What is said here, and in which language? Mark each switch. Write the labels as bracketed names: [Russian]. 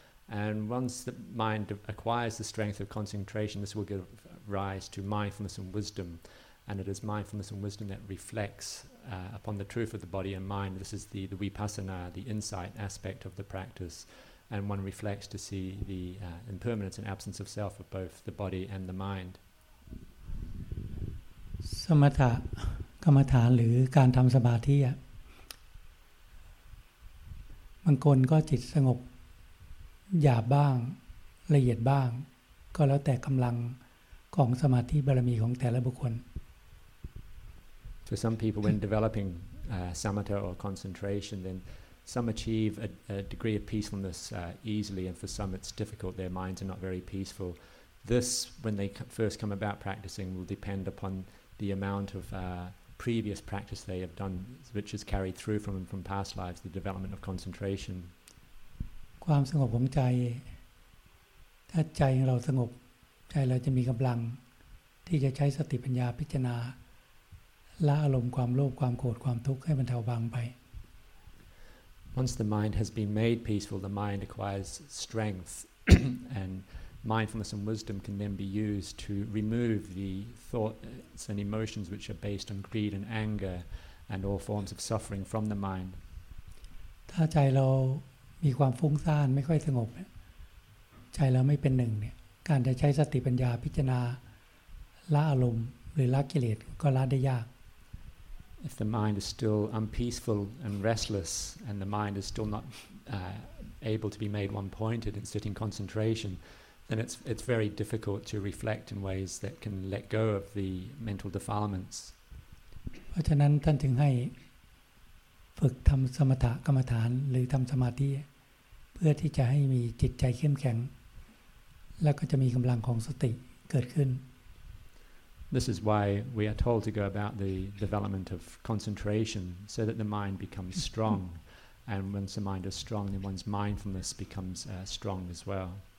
[English] And once the mind acquires the strength of concentration, this will give rise to mindfulness and wisdom. And it is mindfulness and wisdom that reflects upon the truth of the body and mind. This is the vipassana, the insight aspect of the practice. And one reflects to see the impermanence and absence of self of both the body and the mind. [Thai] Samatha, kamathan, or การทำสมาธิ บางคนก็จิตสงบหยาบบ้างละเอียดบ้างก็แล้วแต่กำลังของสมาธิบารมีของแต่ละบุคคล [English] For some people, when developing samatha or concentration, thenSome achieve a degree of peacefulness easily, and for some it's difficult. Their minds are not very peaceful. This, when they first come about practicing, will depend upon the amount of previous practice they have done, which is carried through from past lives, the development of concentration. [Thai] ความสงบของใจถ้าใจเราสงบใจเราจะมีกำลัง ที่จะใช้สติปัญญาพิจารณาละอารมณ์ความโลภความโกรธความทุกข์ให้บรรเทาบางไป [English] Once the mind has been made peaceful, the mind acquires strength and mindfulness and wisdom can then be used to remove the thoughts and emotions which are based on greed and anger and all forms of suffering from the mind. [Thai] ถ้าใจเรามีความฟุ้งซ่านไม่ค่อยสงบใจเราไม่เป็นหนึ่งเนี่ยการจะใช้สติปัญญาพิจารณาละอารมณ์หรือละกิเลสก็ละได้ยาก [English] If the mind is still unpeaceful and restless and the mind is still not able to be made one-pointed and sitting concentration then it's very difficult to reflect in ways that can let go of the mental defilements [Thai] เพราะฉะนั้นท่านถึงให้ฝึกทำสมถกรรมฐานหรือทำสมาธิเพื่อที่จะให้มีจิตใจเข้มแข็งแล้วก็จะมีกำลังของสติเกิดขึ้น [English] This is why we are told to go about the development of concentration so that the mind becomes strong. And once the mind is strong, then one's mindfulness becomes strong as well.